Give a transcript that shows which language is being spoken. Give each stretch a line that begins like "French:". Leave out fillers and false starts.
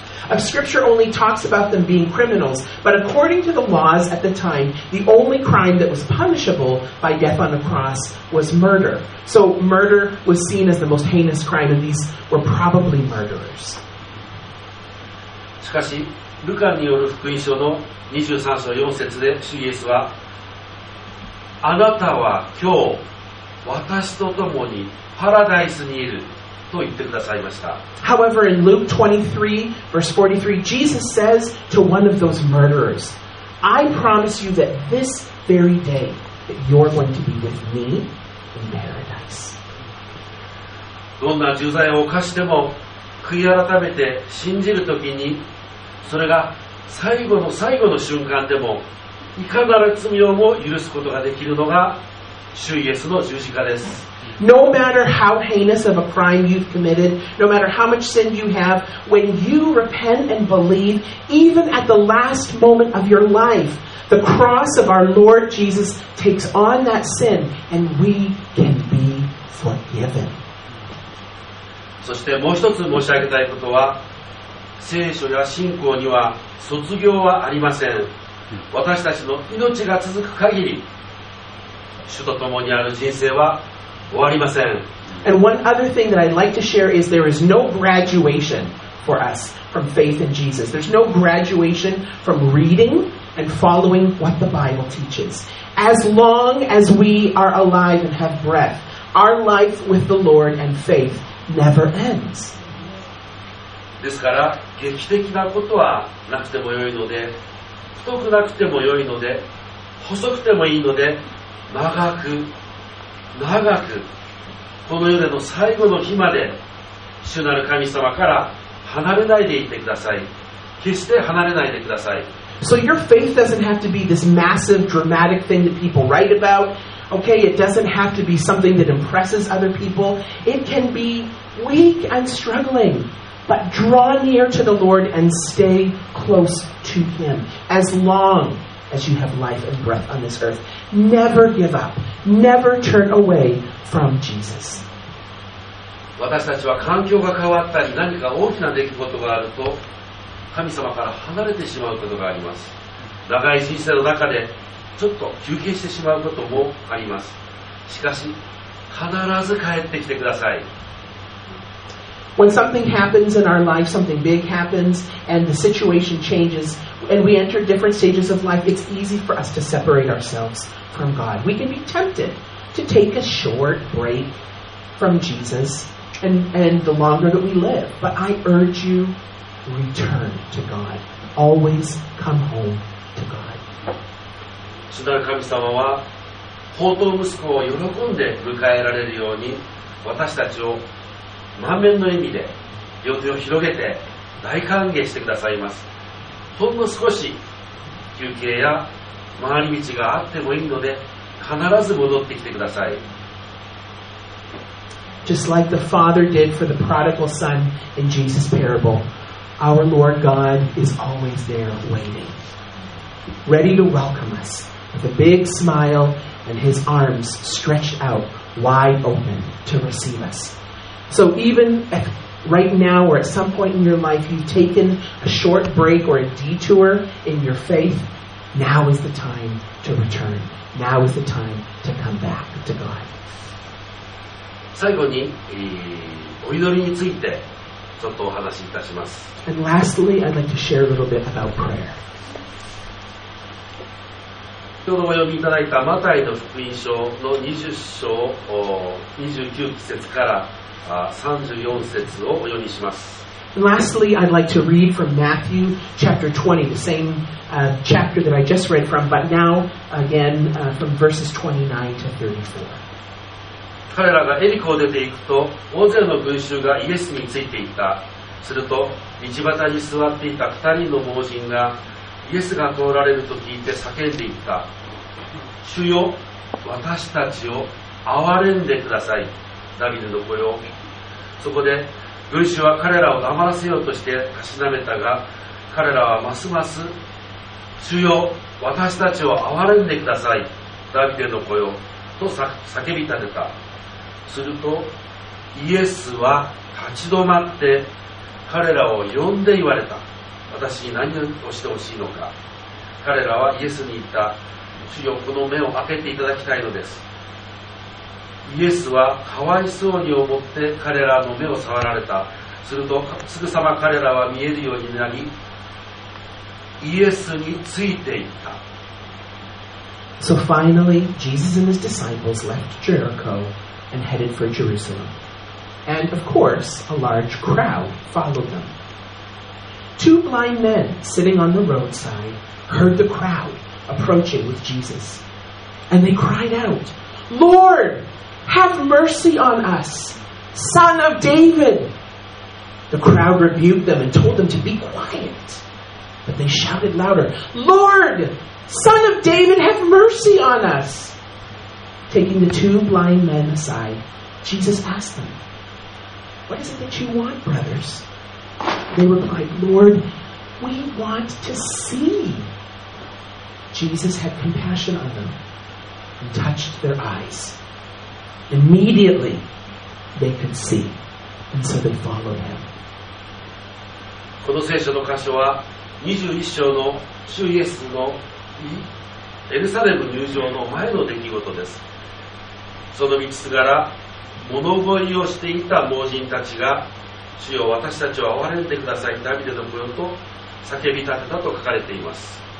English: Of scripture only talks about them being criminals, but according to the laws at the time, the only crime that was punishable by death on the cross was murder. So murder was seen as the most heinous crime, and these were probably murderers.
Japanese: しかし、ルカによる福音書の23章4節で主イエスは、あなたは今日私と共にパラダイスにいる。と言ってくださいました。
English: However, in Luke 23, verse 43, Jesus says to one of those murderers, I promise you that this very day that you're going to be with me in paradise.
Japanese: どんな重罪を犯しても悔い改めて信じるときに、それが最後の最後の瞬間でもいかなる罪をも許すことができるのが主イエスの十字架です。
English: No matter how heinous of a crime you've committed, no matter how much sin you have, when you repent and believe, even at the last moment of your life, the cross of our Lord Jesus takes on that sin, and we can be forgiven.
Japanese: そしてもう一つ申し上げたいことは、聖書や信仰には卒業はありません。私たちの命が続く限り、主と共にある人生は終わりません。
English: And one other thing that I'd like to share is there is no graduation for us from faith in Jesus. There's no graduation from reading and following what the Bible teaches. As long as we are alive and have breath, our life with the Lord and faith never ends.
Japanese: ですから劇的なことはなくてもよいので、太くなくてもよいので、細くてもいいので、長くこの世での最後の日まで主なる神様から離れないでいてください。決して離れないでください。
English: So your faith doesn't have to be this massive dramatic thing that people write about. Okay, it doesn't have to be something that impresses other people. It can be weak and struggling, but draw near to the Lord and stay close to Him as long as you have life and breath on this earth. Never give up. Never turn away from Jesus.
Japanese: 私たちは環境が変わったり何か大きな出来事があると神様から離れてしまうことがあります。長い人生の中でちょっと休憩してしまうこともあります。しかし必ず帰ってきてください。
English: When something happens in our life, something big happens, and the situation changes, and we enter different stages of life, it's easy for us to separate ourselves from God. We can be tempted to take a short break from Jesus and the longer that we live. But I urge you, return to God. Always come home to God.
Japanese: 主なる神様は、放蕩息子を喜んで迎えられるように、私たちを満面の笑みで両手を広げて大歓迎してくださいます。ほんの少し休憩や回り道があってもいいので必ず戻ってきてください。
English: Just like the father did for the prodigal son in Jesus' parable, our Lord God is always there waiting, ready to welcome us with a big smile and his arms stretched out wide open to receive us. So even if right now or at some point in your life you've taken a short break or a detour in your faith, now is the time to return. Now is the time to come back to God.
Japanese: 最後に、お祈りについてちょっとお話しいたします。
English: And lastly, I'd like to share a little bit about prayer.
Japanese: 先ほどお読みいただいたマタイの福音書の20章29節から34節をお読みします。
English: And lastly, I'd like to read from Matthew chapter 20, the same chapter that I just read from, but now again from verses 29 to 34.
Japanese: 彼らがエリコを出て行くと、大勢の群衆がイエスについて行った。すると、道端に座っていた二人の盲人がイエスが通られると聞いて叫んでいった。主よ、私たちを憐れんでください。ダビデの声を。そこで群衆は彼らを黙らせようとしてたしなめたが、彼らはますます主よ私たちを憐れんでくださいダビデの声をと叫び立てた。するとイエスは立ち止まって彼らを呼んで言われた。私に何をしてほしいのか。彼らはイエスに言った。主よこの目を開けていただきたいのです。イエスはかわいそうに思って彼らの目を触られた。するとすぐさま彼らは見えるようになり、イエスについていった。
English: So finally, Jesus and his disciples left Jericho and headed for Jerusalem. And of course, a large crowd followed them. Two blind men sitting on the roadside heard the crowd approaching with Jesus. And they cried out, Lord! Have mercy on us, son of David. The crowd rebuked them and told them to be quiet. But they shouted louder, Lord, son of David, have mercy on us. Taking the two blind men aside, Jesus asked them, What is it that you want, brothers? They replied, Lord, we want to see. Jesus had compassion on them and touched their eyes. Immediately, they could see, and so they followed him.
Japanese: この聖書の箇所は21章の主イエスのエルサレム入場の前の出来事です。その道すがら物乞いをしていた盲人たちが、主よ私たちを憐れんでください、ダビデの子よと叫び立てたと書かれています。